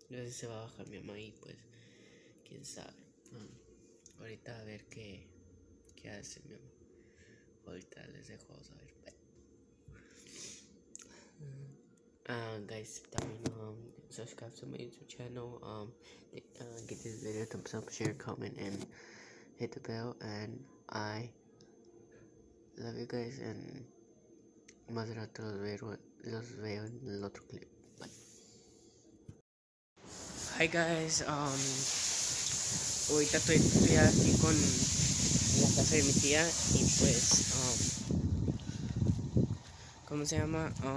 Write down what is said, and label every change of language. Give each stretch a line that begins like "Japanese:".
Spanish: No sé si se va a bajar mi mamá y pues, quién sabe. Ahorita a ver qué hace mi mamá. Ahorita les dejo a saber.
English: Guys, también subscribe to my YouTube channel. Get this video thumbs up, share, comment, and hit the bell. And I love you guys.
Spanish: And más rato los veo en el otro clip. Bye.
English: Hi guys.
Spanish: Ahorita estoy aquí con la casa de mi tía y pues, ¿cómo se llama?